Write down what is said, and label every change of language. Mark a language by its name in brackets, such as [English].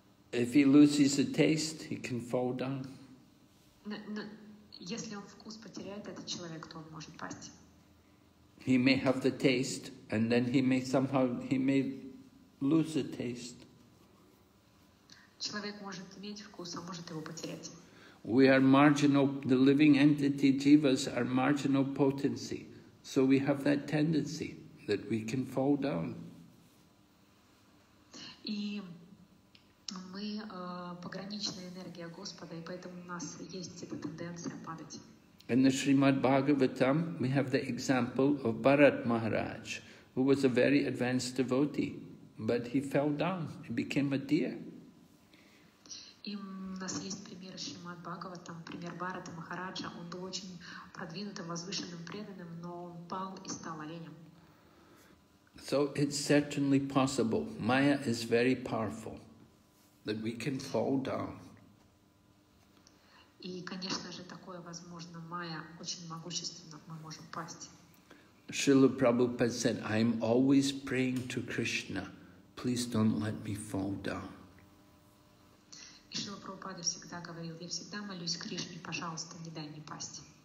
[English] If he loses the taste, he can fall down. [Russian] Если он вкус потеряет, этот человек, то он может пасть. [English] He may have the taste, and then he may lose the taste. [Russian] Человек может иметь вкус, а может его потерять. [English] We are marginal. The living entity jivas are marginal potency, so we have that tendency that we can fall down. [Russian] И мы пограничная энергия Господа, и поэтому у нас есть эта тенденция падать. [English] In the Srimad Bhagavatam, we have the example of Bharat Maharaj, who was a very advanced devotee, but he fell down, he became a deer. [Russian] И у нас есть пример Шримад Бхагаватам, пример Бхарата Махараджа, он был очень продвинутым, возвышенным, преданным, но он пал и стал оленем. [English] So it's certainly possible, Maya is very powerful, that we can fall down. [Russian] И, конечно же, такое возможно, Майя очень могущественна, мы можем пасть. [English] Шрила Прабхупада said, I'm always praying to Krishna, please don't let me fall down. [Russian] И Шрила Прабхупада всегда говорил, я всегда молюсь Кришне, пожалуйста, не дай мне пасть.